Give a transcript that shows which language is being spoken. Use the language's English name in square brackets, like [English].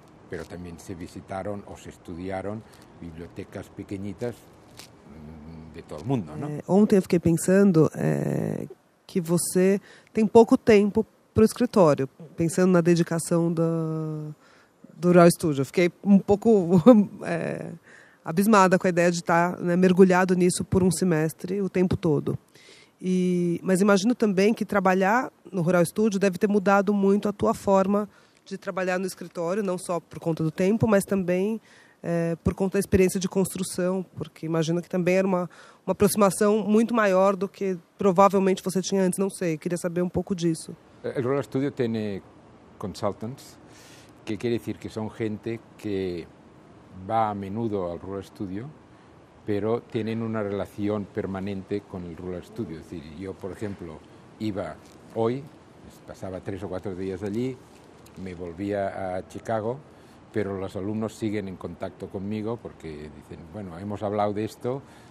[Spanish] Pero también se visitaron o se estudiaron bibliotecas pequeñitas de todo el mundo, ¿no? [Portuguese] Ontem eu fiquei pensando que você tem pouco tempo para o escritório, pensando na dedicação do Rural Studio. Fiquei um pouco abismada com a ideia de estar, né, mergulhado nisso por um semestre o tempo todo. Mas imagino também que trabalhar no Rural Estúdio deve ter mudado muito a tua forma de trabalhar no escritório, não só por conta do tempo, mas também por conta da experiência de construção, porque imagino que também era uma aproximação muito maior do que provavelmente você tinha antes, não sei, queria saber um pouco disso. O Rural Estúdio tem consultants, que quer dizer que são gente que [Spanish] va a menudo ao Rural Estúdio, pero tienen una relación permanente con el Rural Estúdio. Es decir, yo, por ejemplo, iba hoy, pasaba 3 o 4 días allí, me volvía a Chicago, pero los alumnos siguen en contacto conmigo porque dicen, bueno, hemos hablado de esto,